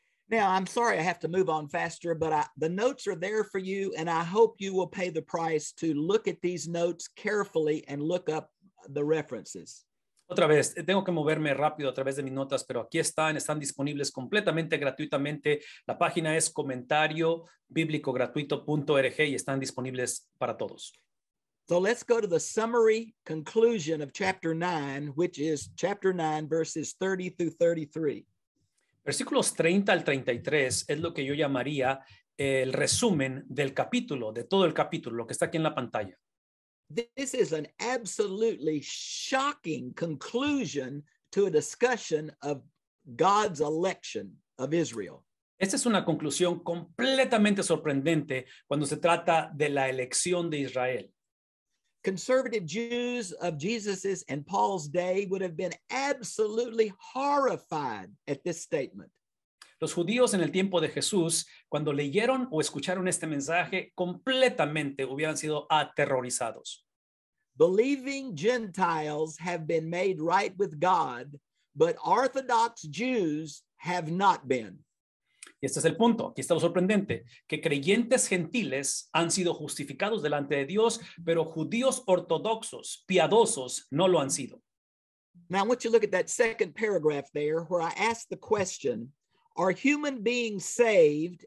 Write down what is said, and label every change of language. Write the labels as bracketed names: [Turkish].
[English] Now, I'm sorry I have to move on faster, but the notes are there for you, and I hope you will pay the price to look at these notes carefully and look up the references. [Spanish] Otra vez, tengo que moverme rápido a través de mis notas, pero aquí están disponibles completamente gratuitamente. La página es comentariobiblicogratuito.org y están disponibles para todos. [English] So let's go to the summary conclusion of chapter 9, which is chapter 9, verses 30 through 33. [Spanish] Versículos 30 al 33 es lo que yo llamaría el resumen del capítulo, de todo el capítulo, lo que está aquí en la pantalla. [English] This is an absolutely shocking conclusion to a discussion of God's election of Israel. [Spanish] Esta es una conclusión completamente sorprendente cuando se trata de la elección de Israel. [English] Conservative Jews of Jesus's and Paul's day would have been absolutely horrified at this statement. [Spanish] Los judíos en el tiempo de Jesús, cuando leyeron o escucharon este mensaje, completamente hubieran sido aterrorizados. [English] Believing Gentiles have been made right with God, but Orthodox Jews have not been. [Spanish] Y este es el punto, aquí está lo sorprendente, que creyentes gentiles han sido justificados delante de Dios, pero judíos ortodoxos, piadosos, no lo han sido. [English] Now, I want you to look at that second paragraph there where I ask the question, are human beings saved?